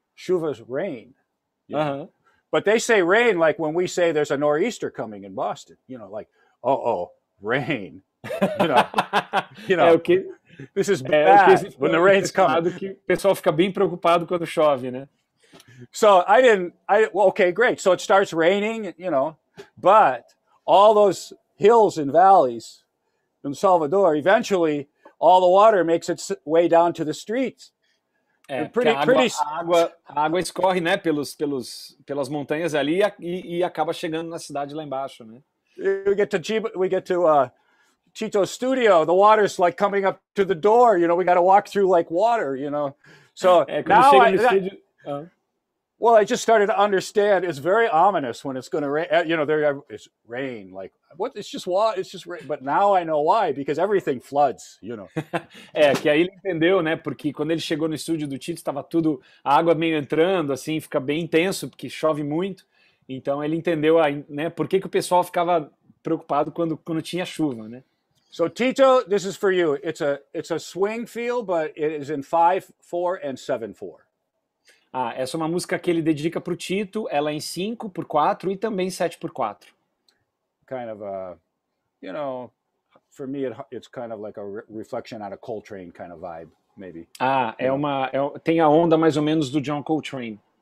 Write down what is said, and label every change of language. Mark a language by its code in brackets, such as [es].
[en] Chuva's rain. Yeah. Uh-huh. But they say rain like when we say there's a nor'easter coming in Boston, you know, like, uh-oh, rain. You know. [pt] É, okay. [en] This is bad when the rain's coming. [pt] O pessoal fica bem preocupado quando chove, né? [en] So okay, great. So it starts raining, you know, but all those hills and valleys in Salvador, eventually all the water makes its way down to the streets. [pt] É, a água escorre, né, pelas montanhas ali e acaba chegando na cidade lá embaixo, né? [en] We get to Chito's studio, the water's like coming up to the door, you know, we got to walk through like water, you know. So now I just started to understand it's very ominous when it's going to rain, you know, there is rain, like what, it's just water, it's just rain. But now I know why, because everything floods, you know. [pt] É, que aí ele entendeu, né, porque quando ele chegou no estúdio do Chito, estava tudo, a água meio entrando, assim, fica bem intenso, porque chove muito, então ele entendeu, né, por que que o pessoal ficava preocupado quando tinha chuva, né. [en] So Tito, this is for you. It's a swing feel, but it is in 5/4 and 7/4. [pt] Ah, essa é uma música que ele dedica pro Tito. Ela é em 5/4 e também 7/4. [en] Kind of a, you know, for me it's kind of like a reflection on a Coltrane kind of vibe, maybe. [pt] Ah, tem a onda mais ou menos do John Coltrane.